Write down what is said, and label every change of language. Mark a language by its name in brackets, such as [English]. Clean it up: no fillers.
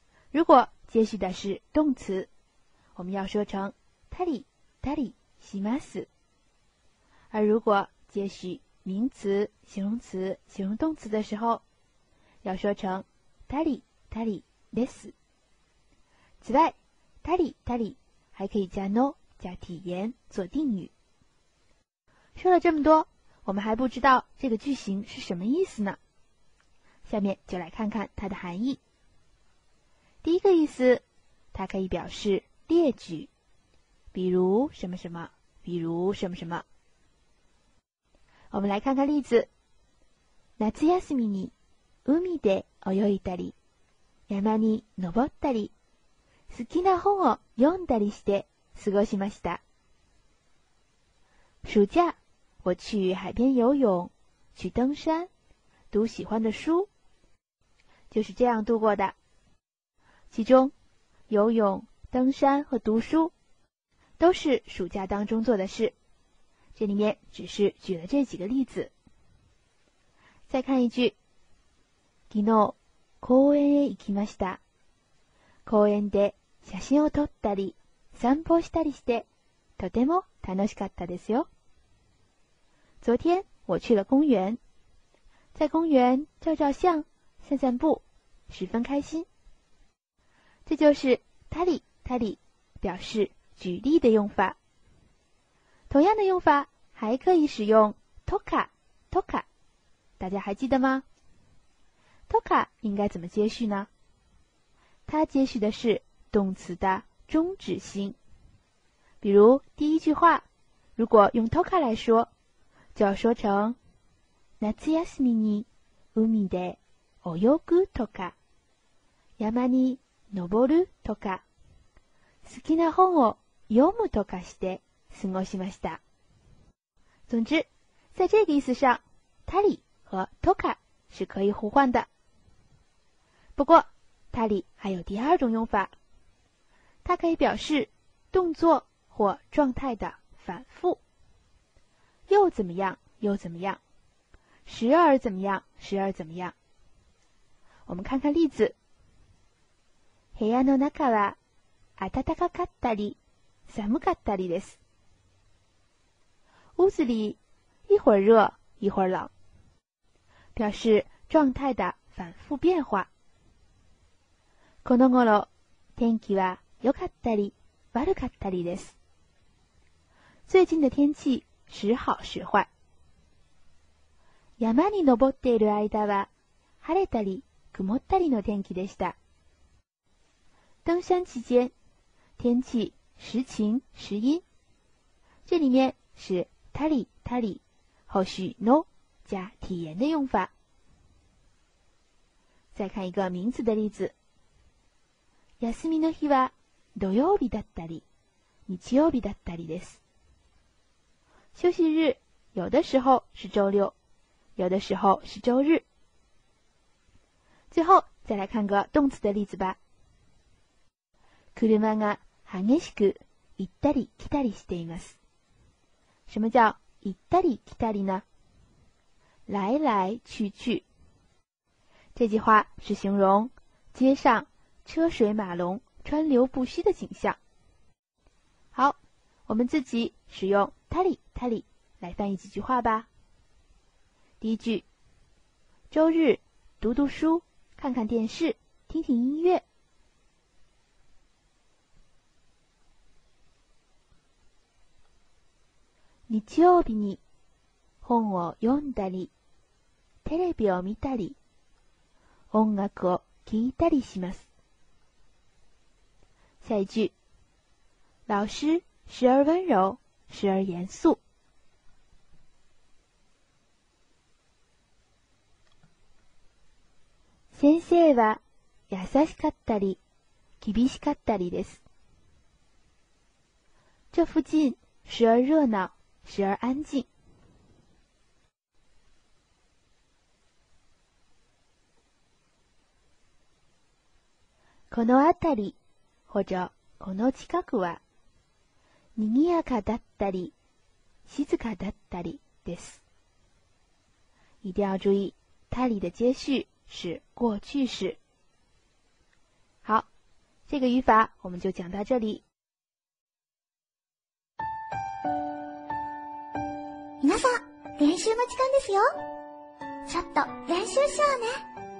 [Chinese] 如果接续的是动词，我们要说成 [Japanese] たりたりします。 [Chinese] 而如果接续名词、形容词、形容动词的时候，要说成 [Japanese] たりたりです。 [Chinese] 此外，たりたり还可以加 no 加体言做定语。说了这么多，我们还不知道这个句型是什么意思呢，下面就来看看它的含义。第一个意思，它可以表示列举，比如什么什么，比如什么什么。我们来看看例子。 [Japanese] 夏休みに海で泳いだり山に登ったり好きな本を読んだりして過ごしました。 [Chinese] 暑假，我去海边游泳，去登山，读喜欢的书，就是这样度过的。其中，游泳、登山和读书，都是暑假当中做的事。这里面只是举了这几个例子。再看一句。 [Japanese] 昨日、公園へ行きました。公園で写真を撮ったり、散歩したりして、とても楽しかったですよ。 [Chinese] 昨天、我去了公園。在公園、照照相、散散步、十分开心。这就是他里他里表示举例的用法。同样的用法还可以使用 toka toka， 大家还记得吗？ toka 应该怎么接续呢？它接续的是动词的终止性。比如第一句话，如果用 toka 来说，就要说成 [Japanese] 夏休みに海で泳ぐとか山に登るとか好きな本を読むとかして過ごしました。 [Chinese] 总之在这个意思上，他里和托卡是可以互换的。不过他里还有第二种用法，它可以表示动作或状态的反复，又怎么样又怎么样，时而怎么样时而怎么样。我们看看例子。 [Japanese] 部屋の中は暖かかったり寒かったりです。 [Chinese] 屋子里一会儿热一会儿冷，表示状态的反复变化。 [Japanese] この頃天気は良かったり悪かったりです。 [Chinese] 最近的天气时好时坏。 [Japanese] 山に登っている間は晴れたり曇ったりの天気でした。 [Chinese] 登山期间天气时晴时阴，这里面是たりたり后续 no 加体言的用法。再看一个名词的例子。 [Japanese] 休みの日は土曜日だったり日曜日だったりです。 [Chinese] 休息日有的时候是周六，有的时候是周日。最后再来看个动词的例子吧。 [Japanese] 車が激しく行ったり来たりしています。 [Chinese] 什么叫 [Japanese] 行ったり来たりな？ [Chinese] 来来去去。这句话是形容街上车水马龙、川流不息的景象。好，我们自己使用たりたり来翻译几句话吧。第一句，周日读读书、看看电视、听听音乐。 [Japanese] 日曜日に本を読んだり、テレビを見たり、音楽を聴いたりします。 [Chinese] 下一句、老师时而温柔、时而严肃。 [Japanese] 先生は優しかったり、厳しかったりです。 [Chinese] 这附近时而热闹、时而安静。 [Japanese] この辺り、 [Chinese] 或者 [Japanese] この近くは、賑やかだったり、静かだったりです。 [Chinese] 一定要注意、他里的接续是过去式。好，这个语法我们就讲到这里。 [Japanese] 皆さん、練習の時間ですよ。ちょっと練習しようね。